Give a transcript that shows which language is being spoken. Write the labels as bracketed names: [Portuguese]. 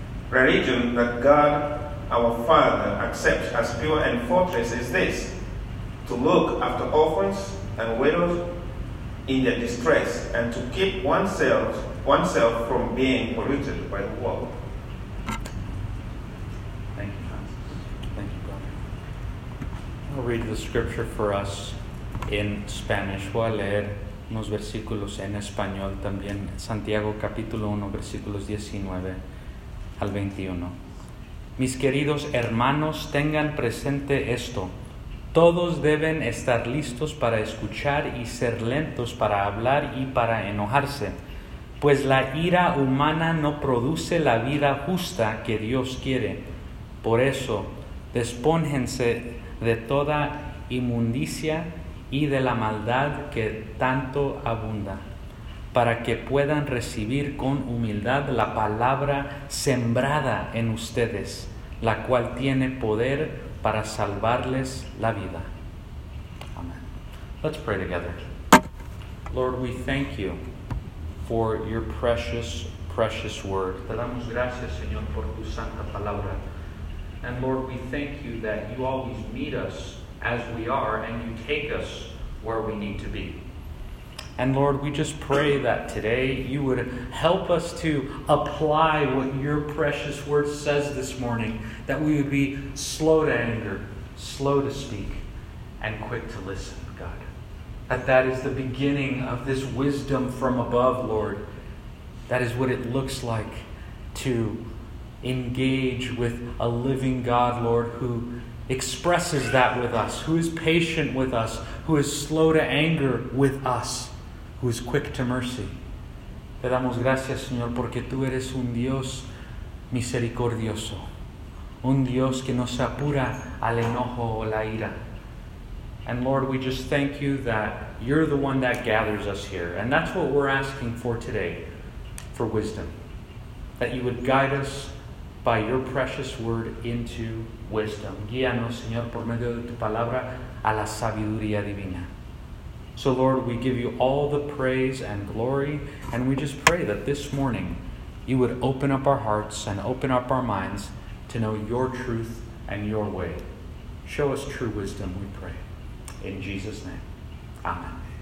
[English] Religion that God our Father accepts as pure and faultless is this: to look after orphans and widows in their distress, and to keep oneself from being polluted by the world. Thank you, Francis. Thank you, brother. I'll read the scripture for us in Spanish. [Spanish] Voy a leer unos versículos en español también. Santiago capítulo 1, versículos 19 al 21. Mis queridos hermanos, tengan presente esto. Todos deben estar listos para escuchar y ser lentos para hablar y para enojarse, pues la ira humana no produce la vida justa que Dios quiere. Por eso, despójense de toda inmundicia y de la maldad que tanto abunda, para que puedan recibir con humildad la palabra sembrada en ustedes, la cual tiene poder para salvarles la vida. [English] Amen. Let's pray together. Lord, we thank you for your precious, precious word. [Spanish] Te damos gracias, Señor, por tu santa palabra. [English] And Lord, we thank you that you always meet us as we are, and you take us where we need to be. And Lord, we just pray that today you would help us to apply what your precious word says this morning, that we would be slow to anger, slow to speak, and quick to listen, God. That is the beginning of this wisdom from above, Lord. That is what it looks like to engage with a living God, Lord, who expresses that with us, who is patient with us, who is slow to anger with us, who is quick to mercy. [Spanish] Te damos gracias, Señor, porque tú eres un Dios misericordioso, un Dios que no se apura al enojo o la ira. [English] And Lord, we just thank you that you're the one that gathers us here. And that's what we're asking for today, for wisdom, that you would guide us by your precious word into wisdom. [Spanish] Guíanos, Señor, por medio de tu palabra, a la sabiduría divina. [English] So, Lord, we give you all the praise and glory, and we just pray that this morning you would open up our hearts and open up our minds to know your truth and your way. Show us true wisdom, we pray. In Jesus' name, amen.